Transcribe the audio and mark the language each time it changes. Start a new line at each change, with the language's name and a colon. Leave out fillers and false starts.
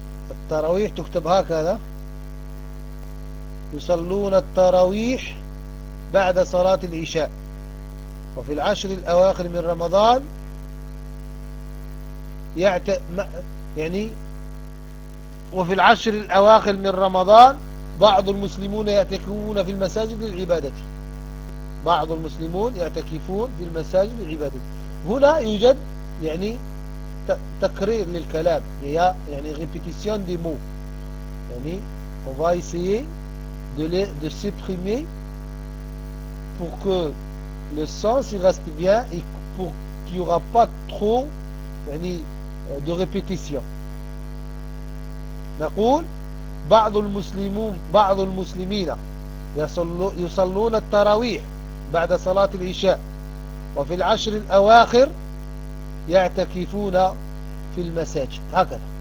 Arabic: التراويح تكتب هكذا، يصلون التراويح بعد صلاة العشاء وفي العشر الأواخر من رمضان، يعني وفي العشر الأواخر من رمضان بعض المسلمون يعتكفون في المساجد للعبادة، بعض المسلمون يعتكفون في المساجد للعبادة. هنا يوجد يعني تكرير للكلام، يعني ريبيتيسيون دي مو، يعني
French: on va essayer de supprimer pour que le sens il reste bien et pour qu'il n'y aura pas trop يعني de répétition.
Arabic: نقول بعض المسلمين يصلون التراويح بعد صلاة العشاء وفي العشر الأواخر يعتكفون في المساجد، هكذا.